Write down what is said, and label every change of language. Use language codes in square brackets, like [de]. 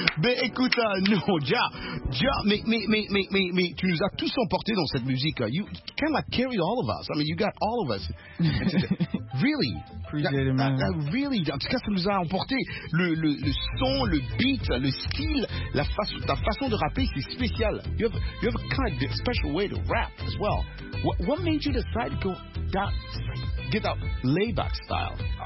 [fr] Mais écoute, non, Ja, mais, tu nous as tous emportés dans cette musique. [en] You kind of like carried all of us. I mean, you got all of us. Really? Really, [fr] en tout cas, ça nous a emportés. Le son, le beat, le style, ta façon de rapper, c'est spécial. [en] You have a kind of special way to rap as well. What made you decide to go that get that layback style?